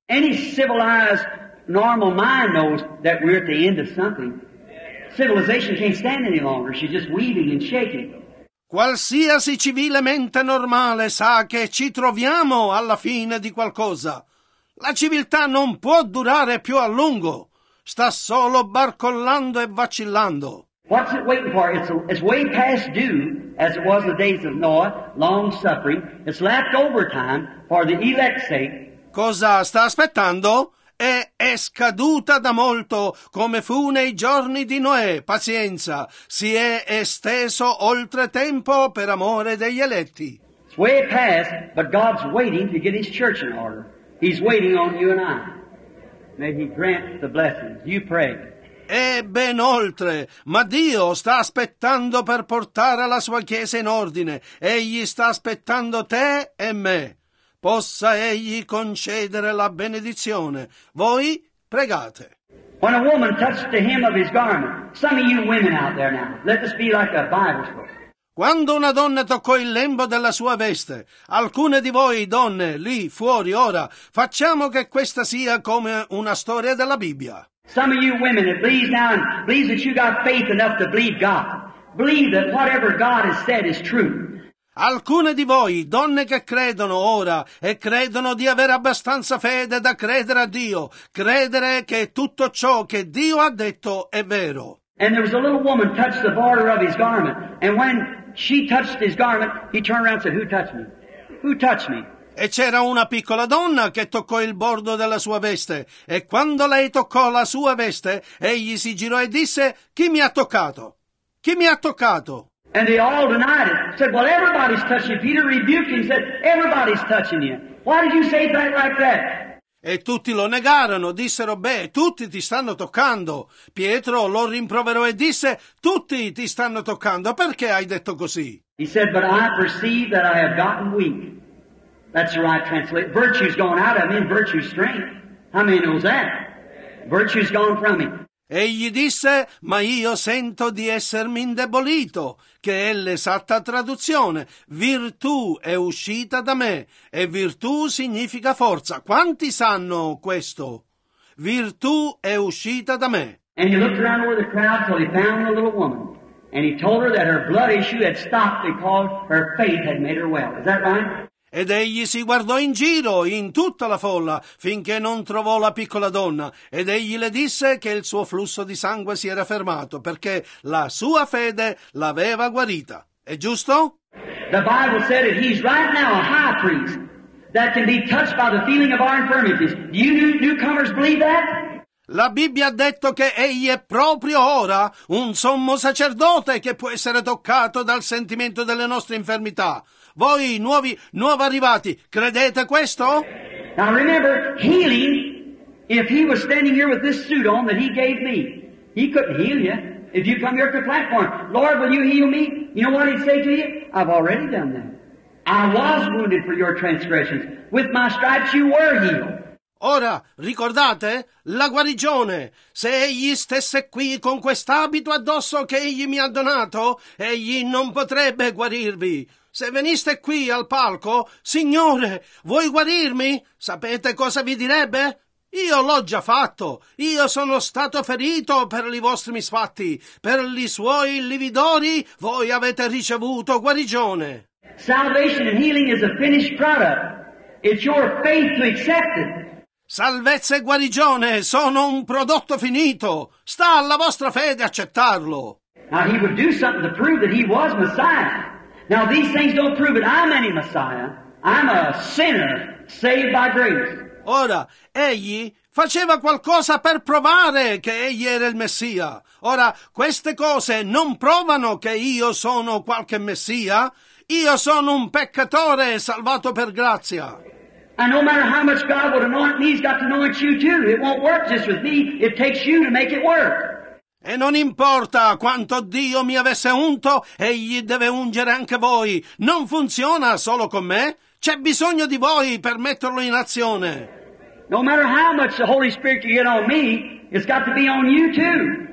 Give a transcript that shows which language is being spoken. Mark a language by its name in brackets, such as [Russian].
[English] Any civilized, normal mind knows that we're at the end of something. Civilization can't stand any longer, she's just weaving and shaking. [Italian] Qualsiasi civile mente normale sa che ci troviamo alla fine di qualcosa. La civiltà non può durare più a lungo. Sta solo barcollando e vacillando. [English] What's it waiting for? It's way past due, as it was in the days of Noah, long suffering. It's left over time for the elect's sake. [Italian] Cosa sta aspettando? È scaduta da molto, come fu nei giorni di Noè. Pazienza. Si è esteso oltre tempo per amore degli eletti. [English] It's way past, but God's waiting to get His church in order. He's waiting on you and I. May He grant the blessings. You pray. [Italian] E ben oltre, ma Dio sta aspettando per portare la sua chiesa in ordine. Egli sta aspettando te e me. Possa Egli concedere la benedizione. Voi pregate. [English] When a woman touched the hem of His garment, some of you women out there now, let this be like a Bible story. [Italian] Quando una donna toccò il lembo della sua veste, alcune di voi donne, lì fuori, ora, facciamo che questa sia come una storia della Bibbia. [English] Some of you women, please now, please that you got faith enough to believe God. Believe that whatever God has said is true. [Italian] Alcune di voi, donne che credono ora e credono di avere abbastanza fede da credere a Dio, credere che tutto ciò che Dio ha detto è vero. [English] And there was a little woman touched the border of His garment, and when she touched His garment, He turned around and said, "Who touched me? Who touched me?" [Italian] E c'era una piccola donna che toccò il bordo della sua veste, e quando lei toccò la sua veste, egli si girò e disse, "Chi mi ha toccato? Chi mi ha toccato?" [English] And they all denied it. Said, "Well, everybody's touching you." Peter rebuked him and said, "Everybody's touching you. Why did you say that like that?" [Italian] E tutti lo negarono, dissero, beh, tutti ti stanno toccando. Pietro lo rimproverò e disse, tutti ti stanno toccando, perché hai detto così? [English] He said, but I perceive that I have gotten weak. That's the right translation. Virtue's gone out of me, virtue's strength. How many knows that? Virtue's gone from me. [Italian] Egli disse, ma io sento di essermi indebolito, che è l'esatta traduzione. Virtù è uscita da me, e virtù significa forza. Quanti sanno questo? Virtù è uscita da me. [English] And he looked around over the crowd till he found a little woman. And he told her that her blood issue had stopped because her faith had made her well. Is that right? [Italian] Ed egli si guardò in giro, in tutta la folla, finché non trovò la piccola donna, ed egli le disse che il suo flusso di sangue si era fermato, perché la sua fede l'aveva guarita. È giusto? [English] The Bible said that he's right now a high priest that can be touched by the feeling of our infirmities. Do you newcomers believe that? [Italian] La Bibbia ha detto che egli è proprio ora un sommo sacerdote che può essere toccato dal sentimento delle nostre infermità. Voi, nuovi arrivati, credete questo? [English] Now remember, healing, if he was standing here with this suit on that he gave me, he couldn't heal you. If you come here to the platform, Lord, will you heal me? You know what he'd say to you? I've already done that. I was wounded for your transgressions. With my stripes you were healed. [Italian] Ora, ricordate? La guarigione. Se egli stesse qui con quest'abito addosso che egli mi ha donato, egli non potrebbe guarirvi. Se veniste qui al palco, Signore, vuoi guarirmi? Sapete cosa vi direbbe? Io l'ho già fatto. Io sono stato ferito per i vostri misfatti. Per i suoi lividori voi avete ricevuto guarigione. [English] Salvation and healing is a finished product. It's your faith to accept it. [Italian] Salvezza e guarigione sono un prodotto finito. Sta alla vostra fede accettarlo. [English] Now he would do something to prove that he was Messiah. Now these things don't prove that I'm any Messiah. I'm a sinner saved by grace. [Italian] Ora, egli faceva qualcosa per provare che egli era il Messia. Ora, queste cose non provano che io sono qualche Messia. Io sono un peccatore salvato per grazia. [English] And no matter how much God would anoint me, he's got to anoint you too. It won't work just with me. It takes you to make it work. [Italian] E non importa quanto Dio mi avesse unto, egli deve ungere anche voi. Non funziona solo con me. C'è bisogno di voi per metterlo in azione. [English] No matter how much the Holy Spirit you get on me, it's got to be on you too.